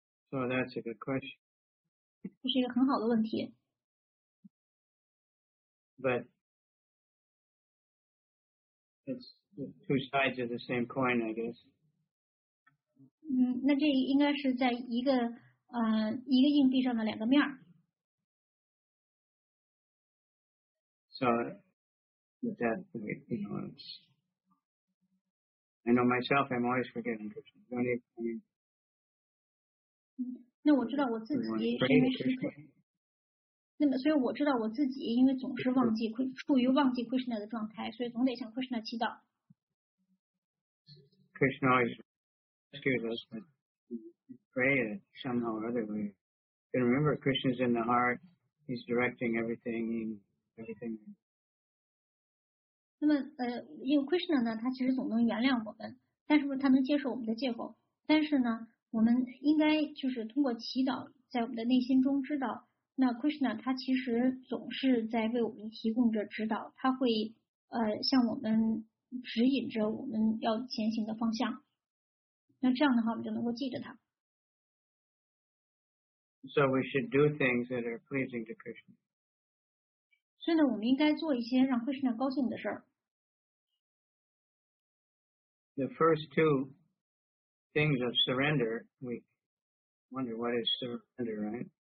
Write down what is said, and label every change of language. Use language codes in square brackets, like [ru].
[en] So that's a good question. [zh] 这是一个很好的问题。 [en] But it's two sides of the same coin, I guess. [zh] 那这应该是在一个一个硬币上的两个面。 [en] So with that, you know, it's, I know myself, I'm always forgetting Krishna. Don't even, I mean, [zh] 那我知道我自己是因为，那么所以我知道我自己因为总是忘记，处于忘记 Krishna 的状态，所以总得向 Krishna 祈祷。 [en] Krishna always excuse us, but pray that somehow or other we can remember Krishna's in the heart, he's directing everything, everything. [zh] 那么因为 Krishna 呢，他其实总能原谅我们，但是他能接受我们的借口，但是呢。我们应该就是通过祈祷在我们的内心中知道那 Krishna 他其实总是在为我们提供着指导，他会向我们指引着我们要前行的方向，那这样的话我们就能够记着他。 [en] So we should do things that are pleasing to Krishna. [zh] 所以呢我们应该做一些让 Krishna 高兴的事儿。 [en] The first twothings of surrender, we wonder what is surrender, right?